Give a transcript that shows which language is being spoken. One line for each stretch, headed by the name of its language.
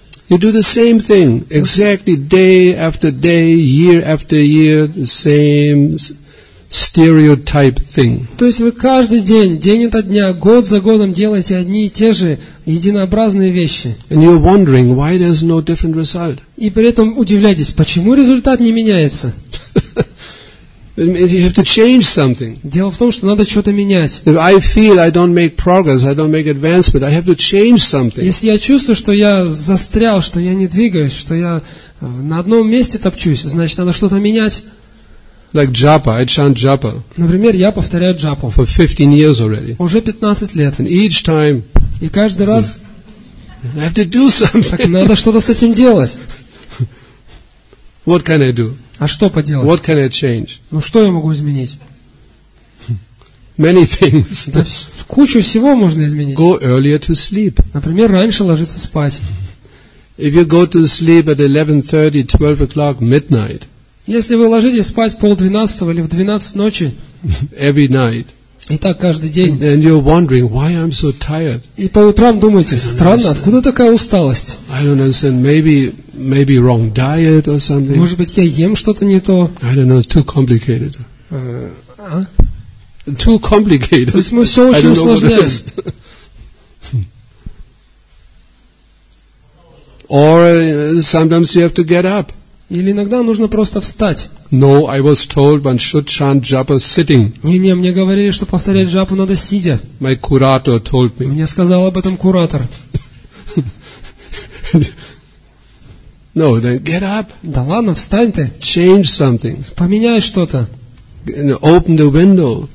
English: You do the same thing exactly day after day, year after year, the same. Stereotype thing.
Russian: То есть вы каждый день ото дня, год за годом делаете одни и те же единообразные вещи.
English: And you're wondering why there's no different result.
Russian: И при этом удивляетесь, почему результат не меняется.
English: You have to change something.
Russian: Дело в том, что надо что-то менять.
English: If I feel I don't make progress, I don't make advancement, I have to change something.
Russian: Если я чувствую, что я застрял, что я не двигаюсь, что я на одном месте топчусь, значит, надо что-то менять.
English: Like japa, I chant japa.
Russian: Например, я повторяю джапу.
English: For 15 years already.
Russian: Уже 15 лет.
English: And each time.
Russian: И каждый раз.
English: I have to do something.
Russian: Так надо что-то с этим делать.
English: What can I do?
Russian: А что поделать?
English: What can I change?
Russian: Ну что я могу изменить?
English: Many things.
Russian: Да, кучу всего можно изменить.
English: Go earlier to sleep.
Russian: Например, раньше ложиться спать.
English: If you go to sleep at 11:30, 12 o'clock, midnight.
Russian: Если вы ложитесь спать 11:30 или 12 ночи,
English: every night,
Russian: И так каждый день.
English: And you're wondering why I'm so tired.
Russian: И по утрам думаете, странно, откуда такая усталость?
English: I don't understand. Maybe wrong diet or something. Может быть, я ем что-то не то. I don't know. Too complicated. Too complicated.
Russian: То есть мы все очень усложняем.
English: Or sometimes you have to get up.
Russian: Или иногда нужно просто встать.
English: No, I was told one should chant japa sitting.
Russian: Не, мне говорили, что повторять джапу надо сидя.
English: My curator told me.
Russian: Мне сказал об этом куратор.
English: No, then get up.
Russian: Да ладно, встань ты.
English: Change something.
Russian: Поменяй что-то.
English: Open the window.